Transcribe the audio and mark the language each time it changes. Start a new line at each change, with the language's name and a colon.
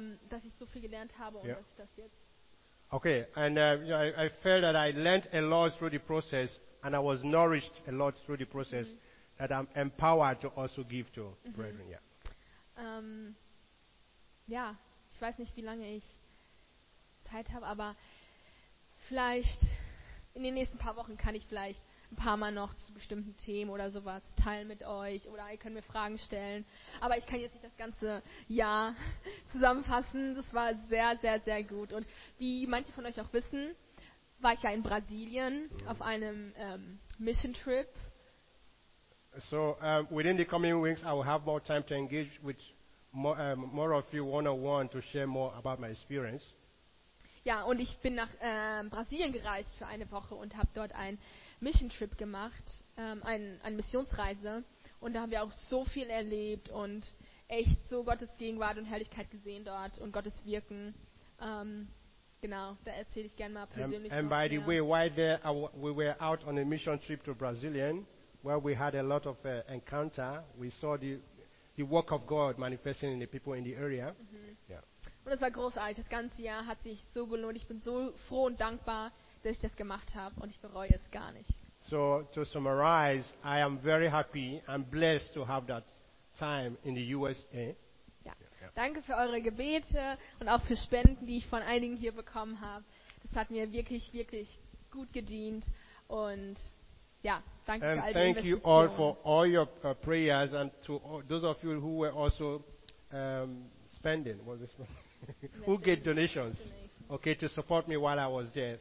German: Dass ich so viel gelernt habe und dass ich das jetzt...
English: Okay, and I felt that I learned a lot through the process and I was nourished a lot through the process that I'm empowered to also give to brethren. Yeah.
German: Ja, ich weiß nicht, wie lange ich Zeit habe, aber vielleicht in den nächsten paar Wochen kann ich vielleicht ein paar Mal noch zu bestimmten Themen oder sowas teilen mit euch oder ihr könnt mir Fragen stellen. Aber ich kann jetzt nicht das ganze Jahr zusammenfassen. Das war sehr, sehr, sehr gut. Und wie manche von euch auch wissen, war ich ja in Brasilien auf einem Mission Trip.
English: So within the coming weeks, I will have more time to engage with more of you one-on-one to share more about my experience.
German: Ja, und ich bin nach Brasilien gereist für eine Woche und habe dort einen Mission Trip gemacht, eine Missionsreise. Und da haben wir auch so viel erlebt und echt so Gottes Gegenwart und Herrlichkeit gesehen dort und Gottes Wirken. Genau, da erzähle ich gerne mal persönlich.
English: And by the way, while there we were out on a mission trip to Brazilian, where we had a lot of encounter, we saw the work of God manifesting in the people in the area. Mhm. Yeah.
German: Und es war großartig. Das ganze Jahr hat sich so gelohnt. Ich bin so froh und dankbar, dass ich das gemacht habe und ich bereue es gar nicht.
English: So to summarize, I am very happy and blessed to have that time in the USA.
German: Ja. Danke für eure Gebete und auch für Spenden, die ich von einigen hier bekommen habe. Das hat mir wirklich, wirklich gut gedient und ja, danke
English: and
German: für all die
English: thank you all for all your prayers and to all those of you who were also spending, what is it? Who gave donations? Okay, to support me while I was there.